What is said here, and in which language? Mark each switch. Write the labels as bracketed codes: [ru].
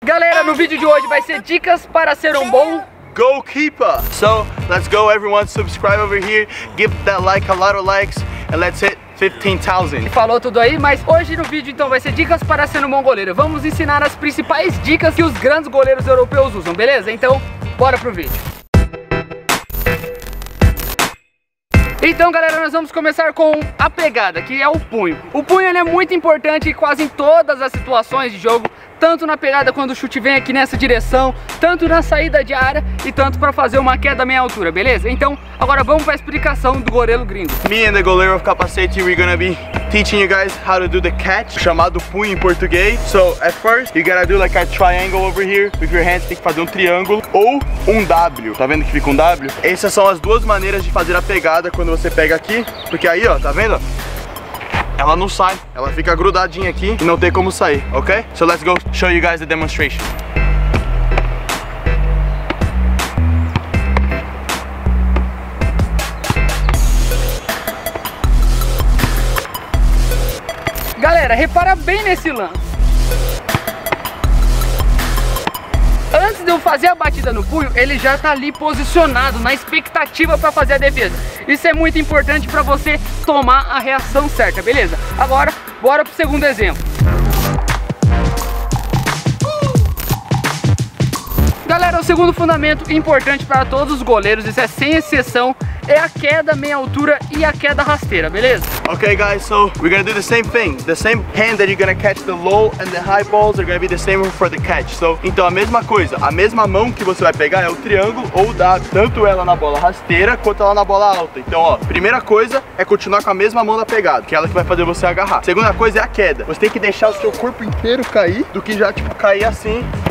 [pt] Galera, no vídeo de hoje vai ser dicas para ser um bom [en] goalkeeper. So, let's go everyone, subscribe over here, give that like, a lot of likes, and let's hit 15,000. [pt] Falou tudo aí, mas hoje no vídeo então vai ser dicas para ser um bom goleiro. Vamos ensinar as principais dicas que os grandes goleiros europeus usam, beleza? Então, bora pro vídeo. Então, galera, nós vamos começar com a pegada, que é o punho. O punho, ele é muito importante quase em todas as situações de jogo, tanto na pegada quando o chute vem aqui nessa direção, tanto na saída de área e tanto para fazer uma queda meia altura, beleza? Então, agora vamos para a explicação do goleiro gringo. [en] Me and the goleiro of capacete, we're gonna be teaching you guys how to do the catch, [pt] chamado punho em português. [en] So, at first, you gotta do like a triangle over here with your hands, [pt] tem que fazer um triângulo ou um W. Tá vendo que fica um W? Essas são as duas maneiras de fazer a pegada quando você pega aqui, porque aí, ó, tá vendo? Ela não sai, ela fica grudadinha aqui e não tem como sair, ok? [en] So let's go show you guys the demonstration. [pt] Galera, repara bem nesse lance. Antes de eu fazer a batida no punho, ele já tá ali posicionado, na expectativa para fazer a defesa. Isso é muito importante para você tomar a reação certa, beleza? Agora, bora pro segundo exemplo. Galera, o segundo fundamento importante para todos os goleiros, isso é sem exceção, é a queda meia altura e a queda rasteira, beleza? [en] Okay, guys, so we're gonna do the same thing. The same hand that you're gonna catch the low and the high balls are gonna be the same for the catch. [pt] So, então a mesma coisa, a mesma mão que você vai pegar é o triângulo ou dá tanto ela na bola rasteira quanto ela na bola alta. Então, ó, primeira coisa é continuar com a mesma mão da pegada, que é ela que vai fazer você agarrar. Segunda coisa é a queda. Você tem que deixar o seu corpo inteiro cair do que já, tipo, cair assim.